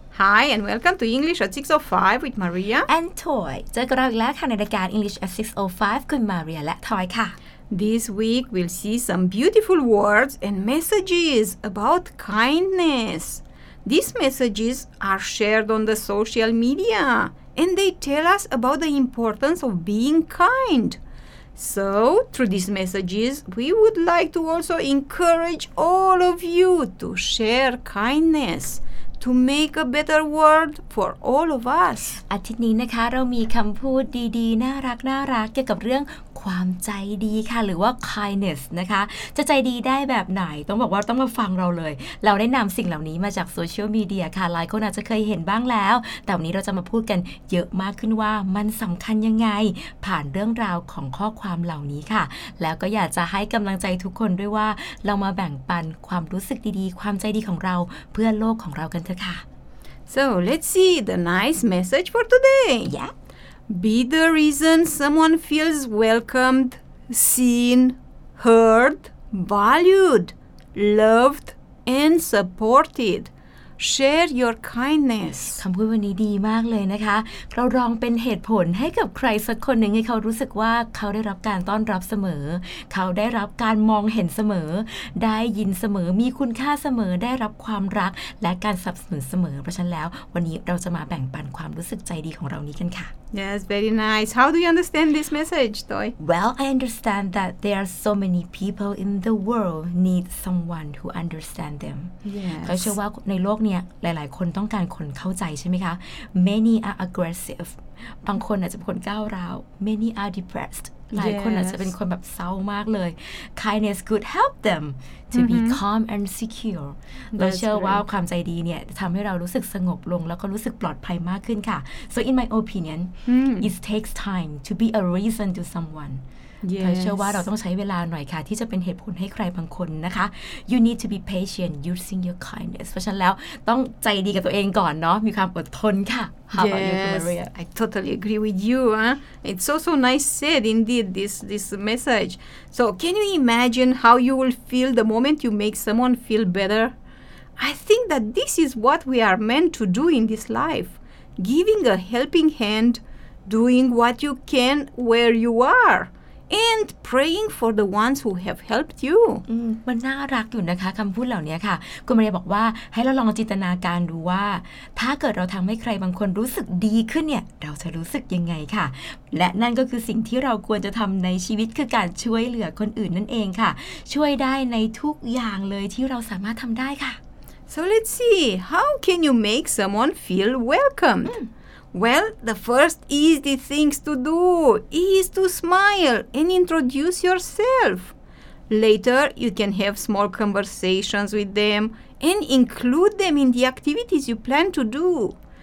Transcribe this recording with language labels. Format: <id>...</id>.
<en>Hi and welcome to English at 6:05 with Maria and Toy.</en> <th>เจอกับเราอีกแล้วค่ะในรายการ English at 6:05 คุณ Maria และ Toy ค่ะ</th> <en>This week we'll see some beautiful words and messages about kindness. These messages are shared on the social media. And they tell us about the importance of being kind. So, through these messages, we would like to also encourage all of you to share kindness, to make a better world for all of us.</en> <th>อาทิตย์นี้นะคะเรามีคำพูดดีๆน่ารักน่ารักเกี่ยวกับเรื่องความใจดีค่ะหรือว่า kindness นะคะจะใจดีได้แบบไหนต้องบอกว่าต้องมาฟังเราเลยเราได้นำสิ่งเหล่านี้มาจากโซเชียลมีเดียค่ะหลายคนอาจจะเคยเห็นบ้างแล้วแต่วันนี้เราจะมาพูดกันเยอะมากขึ้นว่ามันสำคัญยังไงผ่านเรื่องราวของข้อความเหล่านี้ค่ะแล้วก็อยากจะให้กำลังใจทุกคนด้วยว่าเรามาแบ่งปันความรู้สึกดีๆความใจดีของเราเพื่อโลกของเรากันเถอะค่ะ</th> <en>so let's see the nice message for today yeah Be the reason someone feels welcomed, seen, heard, valued, loved, and supported. Share your kindness.</en> <th>คำพูดวันนี้ดีมากเลยนะคะเราลองเป็นเหตุผลให้กับใครสักคนหนึ่งให้เขารู้สึกว่าเขาได้รับการต้อนรับเสมอเขาได้รับการมองเห็นเสมอได้ยินเสมอมีคุณค่าเสมอได้รับความรักและการสนับสนุนเสมอเพราะฉะนั้นแล้ววันนี้เราจะมาแบ่งปันความรู้สึกใจดีของเรานี้กันค่ะ</th> <en>Yes, very nice. How do you understand this message, Toy? Well, I understand that there are so many people in the world need someone who understand them. Yes.</en> <th>เราเชื่อว่าในโลกนี้หลายๆคนต้องการคนเข้าใจใช่ไหมคะ</th> <en>Many are aggressive.</en> <th>บางคนอาจจะเป็นคนก้าวร้าว</th> <en>Many are depressed.</en> <th>หลายคนอาจจะเป็นคนแบบเศร้ามากเลย</th> <en>kindness could help them to be calm and secure</en> <th>เราเชื่อว่าความใจดีเนี่ยทำให้เรารู้สึกสงบลงแล้วก็รู้สึกปลอดภัยมากขึ้นค่ะ</th> <en>so in my opinion it takes time to be a reason to someone</en> <th>เราเชื่อว่าเราต้องใช้เวลาหน่อยค่ะที่จะเป็นเหตุผลให้ใครบางคนนะคะ</th> <en>you need to be patient using your kindness</en> <th>เพราะฉะนั้นแล้วต้องใจดีกับตัวเองก่อนเนาะมีความอดทนค่ะ</th> <en>Yes, I totally agree with you. It's also nice said indeed this message. So can you imagine how you will feel the moment you make someone feel better? I think that this is what we are meant to do in this life. Giving a helping hand, doing what you can where you are. And praying for the ones who have helped you.</en> <th>มันน่ารักอยู่นะคะคำพูดเหล่านี้ค่ะคุณมาเรียบอกว่าให้เราลองจินตนาการดูว่าถ้าเกิดเราทำให้ใครบางคนรู้สึกดีขึ้นเนี่ยเราจะรู้สึกยังไงค่ะและนั่นก็คือสิ่งที่เราควรจะทำในชีวิตคือการช่วยเหลือคนอื่นนั่นเองค่ะช่วยได้ในทุกอย่างเลยที่เราสามารถทำได้ค่ะ</th> <en>So let's see how can you make someone feel welcomedWell, the first easy things to do is to smile and introduce yourself. Later, you can have small conversations with them and include them in the activities you plan to do.</en>